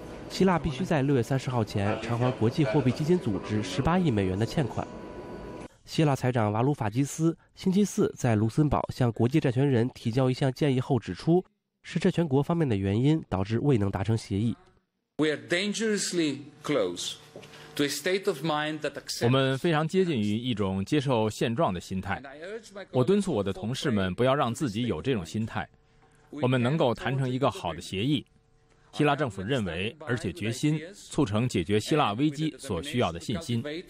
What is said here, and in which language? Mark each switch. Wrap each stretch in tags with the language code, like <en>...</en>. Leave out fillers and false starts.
<zh>希腊必须在6月30号前偿还国际货币基金组织18亿美元的欠款。希腊财长瓦鲁法基斯星期四在卢森堡向国际债权人提交一项建议后指出，是债权国方面的原因导致未能达成协议。</zh> <en>We are dangerously close.</en> <zh>我们非常接近于一种接受现状的心态。我敦促我的同事们不要让自己有这种心态。我们能够谈成一个好的协议。希腊政府认为，而且决心促成解决希腊危机所需要的信心。</zh>